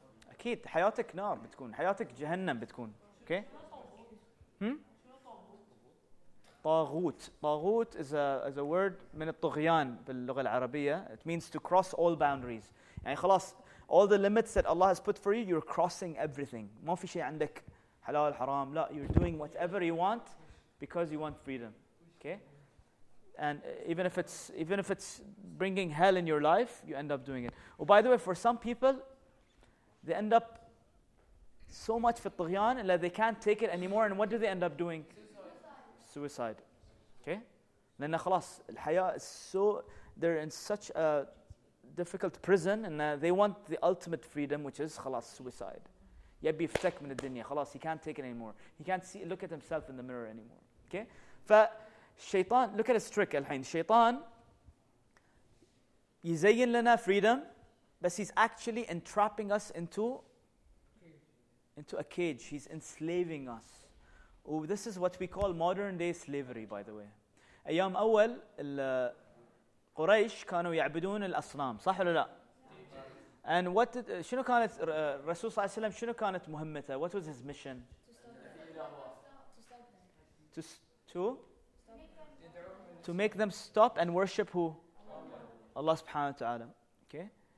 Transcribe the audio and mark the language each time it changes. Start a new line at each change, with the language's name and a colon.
Arabic: أكيد حياتك نار بتكون. حياتك جهنم بتكون. Okay. طاغوت.
English: طاغوت is a word
Arabic: من الطغيان باللغة العربية.
English: It means to cross all boundaries.
Arabic: يعني خلاص
English: all the limits that Allah has put for you, you're crossing everything.
Arabic: ما في شيء عندك حلال حرام.
English: لا, you're doing whatever you want because you want freedom. Okay. And even if it's bringing hell in your life, you end up doing it. Oh, by the way, for some people, they end up so much
Arabic: في الطغيان
English: that they can't take it anymore. And what do they end up doing? Suicide. Okay?
Arabic: لأن خلاص
English: الحياة is so, they're in such a difficult prison and they want the ultimate freedom, which is خلاص suicide.
Arabic: يبي يفتك من الدنيا. خلاص,
English: he can't take it anymore. He can't see, look at himself in the mirror anymore. Okay? فالشيطان, look at his trick الحين.
Arabic: الشيطان يزين لنا
English: freedom, but he's actually entrapping us into a cage. He's enslaving us. Oh, this is what we call modern-day slavery, by the way.
Arabic: أيام أول القريش كانوا يعبدون الأصنام. صح ولا لا؟ And what did, شنو كانت رسول صلى الله عليه وسلم, شنو كانت مهمته?
English: What was his mission? To make them stop and worship who? Allah سبحانه وتعالى. Okay.